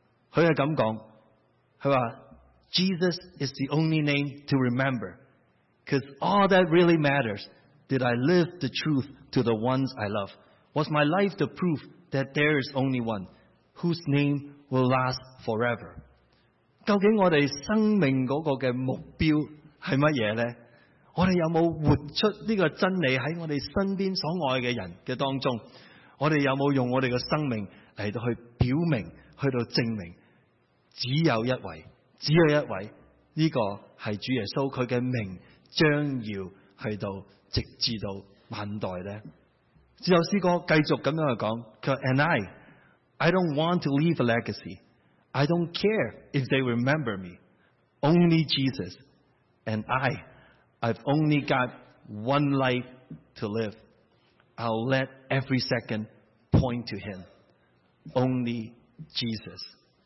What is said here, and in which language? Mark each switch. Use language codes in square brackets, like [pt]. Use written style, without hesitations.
[zh] 他是这样讲，他说 [en] Jesus is the only name to remember， because all that really matters did I live the truth to the ones I love， was my life the proof that there is only one whose name will last forever。 [zh] 究竟我们生命那个的目标是什么呢？我们有没有活出这个真理在我们身边所爱的人的当中？我们有没有用我们的生命来到去表明，去到证明只有一位，只有一位，这个是主耶稣，他的名将要去到直至到万代呢？只有诗歌继续这样讲，他说 [en] And I don't want to leave a legacy， I don't care if they remember me， Only Jesus And I've only got one life to live，I'll let every second point to him， Only Jesus。